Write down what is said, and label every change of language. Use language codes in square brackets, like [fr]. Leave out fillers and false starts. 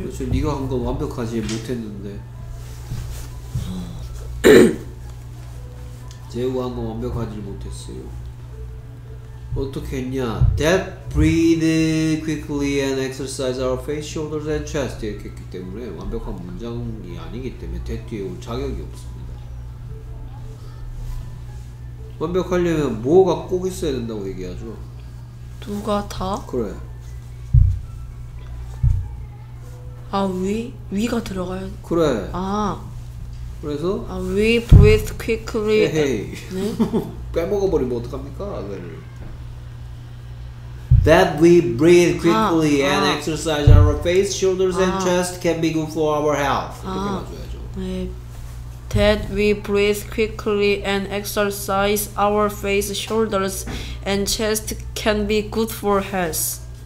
[ko] 그렇죠, 네가 한 건 완벽하지 못했는데. 제우가 한 건 완벽하지 못했어요. 어떻게 했냐? [en] That breathe quickly and exercise our face, shoulders and chest. [ko] 이렇게 했기 때문에 완벽한 문장이 아니기 때문에 that 뒤에 올 자격이 없습니다. 완벽하려면 뭐가 꼭 있어야 된다고 얘기하죠. 누가 다? 그래. 아, we가 들어가야. 그래. 아. 그래서? [en] 아, we breathe quickly. [ko] 에헤이. 네? 빼먹어버리면 어떡합니까? 아들. [en] That we breathe quickly and exercise our face, shoulders and chest can be good for our health. [ko] 이렇게 [en] That we breathe quickly and exercise our face, shoulders, and chest can be good for health.